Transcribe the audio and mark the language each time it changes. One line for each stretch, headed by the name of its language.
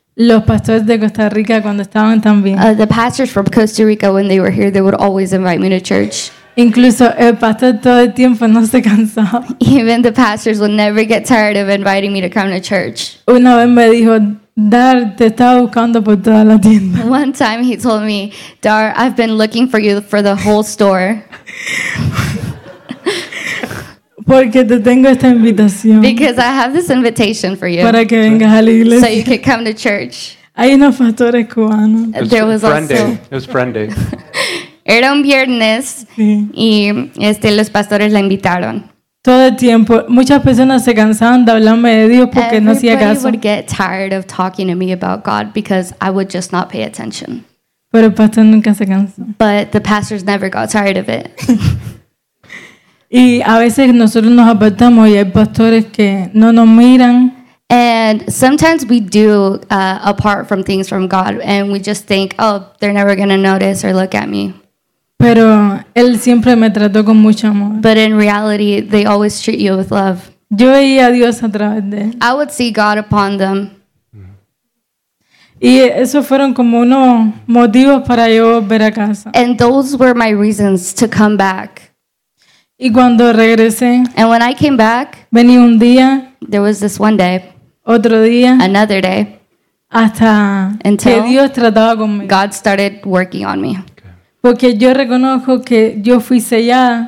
Spanish: Los pastores de Costa Rica cuando estaban también.
English: The pastors from Costa Rica when they were here, they would always invite me to church.
Spanish: Incluso el pastor todo el tiempo no se cansaba.
English: Even the pastors would never get tired of inviting me to come to church.
Spanish: Una vez me dijo, Dar, te estaba buscando por toda la tienda.
English: One time he told me, Dar, I've been looking for you for the whole store.
Spanish: Porque te tengo esta invitación.
English: Because I have this invitation for you.
Spanish: Para que vengas a la iglesia.
English: So you can come to church.
Spanish: Hay unos pastores cubanos.
English: There was friendly. Also. It was friendly.
Spanish: Era un viernes, sí. Y los pastores la invitaron. Todo el tiempo, muchas personas se cansaban de hablarme de Dios porque no hacía caso.
English: Everybody would get tired of talking to me about God because I would just not pay attention.
Spanish: Pero el pastor nunca se cansó.
English: But the pastors never got tired of it.
Spanish: Y a veces nosotros nos apartamos y hay pastores que no nos miran.
English: And And sometimes we do apart from things from God, and we just think, oh, they're never going to notice or look at me.
Spanish: Pero él siempre me trató con mucho amor.
English: But in reality, they always treat you with love.
Spanish: Yo veía a Dios a través de él.
English: I would see God upon them.
Spanish: Y esos fueron como unos motivos para yo volver a casa.
English: And those were my reasons to come back.
Spanish: Y cuando regresé,
English: and when I came back,
Spanish: venía un día,
English: there was this one day,
Spanish: otro día,
English: another day,
Spanish: hasta
English: until
Spanish: que Dios trataba conmigo.
English: God started working on me.
Spanish: Porque yo reconozco que yo fui sellada.